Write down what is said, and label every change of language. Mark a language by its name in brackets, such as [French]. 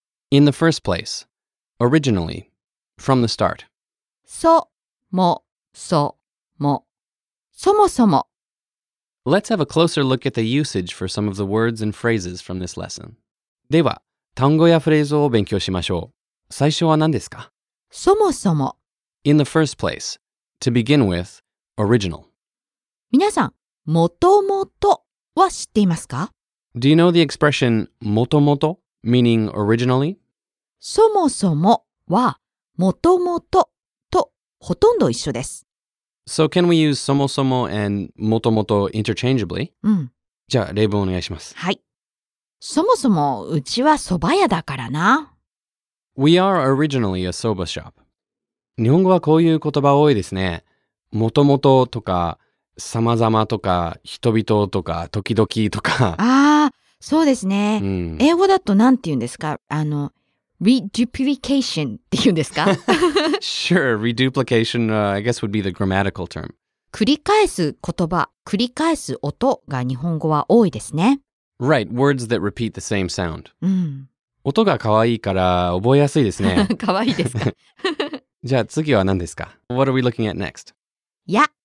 [English] in the first place originally from the start [Japanese] そもそも [English] Let's have a closer look at the usage for some of the words and phrases from this lesson. [Japanese] では、単語やフレーズを勉強しましょう。最初は何ですか？そもそも。 [English] In the first place, to begin with, original. [Japanese] 皆さん、もともとは知っていますか？ [English] Do you know the expression もともと meaning originally? [Japanese] そもそもはもともととほとんど一緒です。 [English] So can we use そもそも and もともと interchangeably? [Japanese] うん。じゃあ、例文お願いします。はい。そもそもうちは蕎麦屋だからな。 [English] We are originally a soba shop. [Japanese] 日本語はこういう言葉多いですね。もともととか、さまざまとか、人々とか、時々とか。ああ、そうですね。うん、英語だとなんて言うんですか？あの、Reduplication って言うんですか? [English] Sure, reduplication, I guess would be the grammatical term. [Japanese] 繰り返す言葉、繰り返す音が日本語は多いですね。 [English] Right, words that repeat the same sound. [Japanese] うん。音が可愛いから覚えやすいですね。可愛いですか? じゃあ次は何ですか? [English] What are we looking at next? [Japanese] や。